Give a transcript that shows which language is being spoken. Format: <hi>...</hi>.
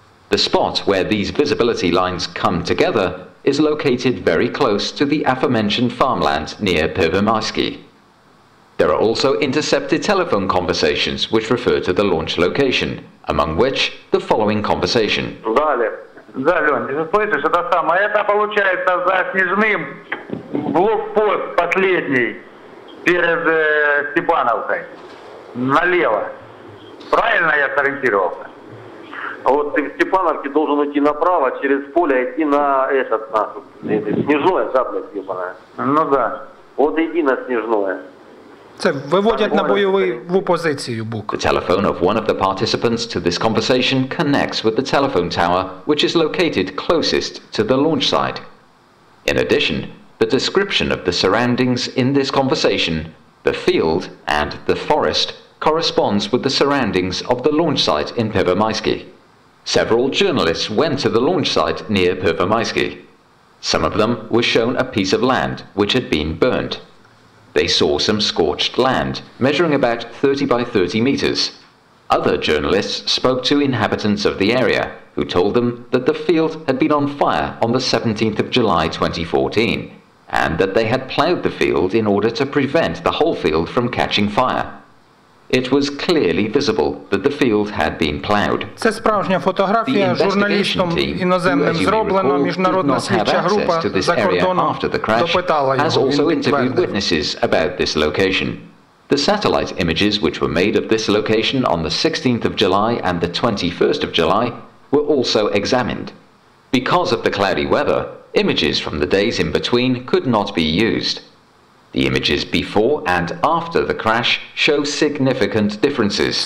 <en>The spot where these visibility lines come together is located very close to the aforementioned farmland near Pivomaisky. There are also intercepted telephone conversations which refer to the launch location, among which the following conversation.</en> <ru>Да, Лёнь, ты слышишь, это самое, это получается за Снежным блокпост последний перед Степановкой, налево. Правильно я сориентировался? Вот ты в Степановке должен идти направо, через поле идти на этот, на Снежное, да, блядь, ебаная? Ну да. Вот иди на Снежное.</ru> <uk>Це виводять на бойову позицію БУК.</uk> <en>The telephone of one of the participants to this conversation connects with the telephone tower, which is located closest to the launch site. In addition, the description of the surroundings in this conversation, the field and the forest, corresponds with the surroundings of the launch site in Pivomaisky. Several journalists went to the launch site near Pivomaisky. Some of them were shown a piece of land which had been burnt. They saw some scorched land, measuring about 30 by 30 meters. Other journalists spoke to inhabitants of the area, who told them that the field had been on fire on the 17th of July 2014, and that they had ploughed the field in order to prevent the whole field from catching fire. It was clearly visible that the field had been ploughed.</en> <uk>Це справжня фотографія журналістом іноземним зроблено. Міжнародна слідча група за кордоном допитала його.</uk> <en>Has also interviewed witnesses about this location. The satellite images which were made of this location on the 16th of July and the 21st of July were also examined. Because of the cloudy weather, images from the days in between could not be used. The images before and after the crash show significant differences.</en>